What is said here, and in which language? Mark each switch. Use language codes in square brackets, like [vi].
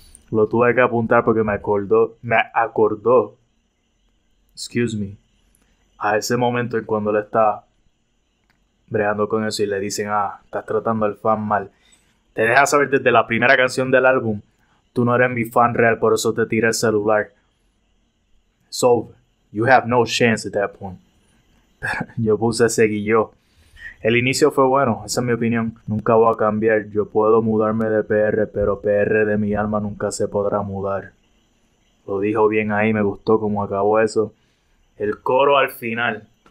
[es] Lo tuve que apuntar porque me acordó, [en] excuse me, [es] a ese momento en cuando le está bregando con eso y le dicen, ah, estás tratando al fan mal. Te deja saber desde la primera canción del álbum, tú no eres mi fan real, por eso te tiré el celular. [en] So, you have no chance at that point. [es] Yo puse seguí yo. El inicio fue bueno, esa es mi opinión. Nunca voy a cambiar. Yo puedo mudarme de PR, pero PR de mi alma nunca se podrá mudar. Lo dijo bien ahí, me gustó cómo acabó eso. El coro al final.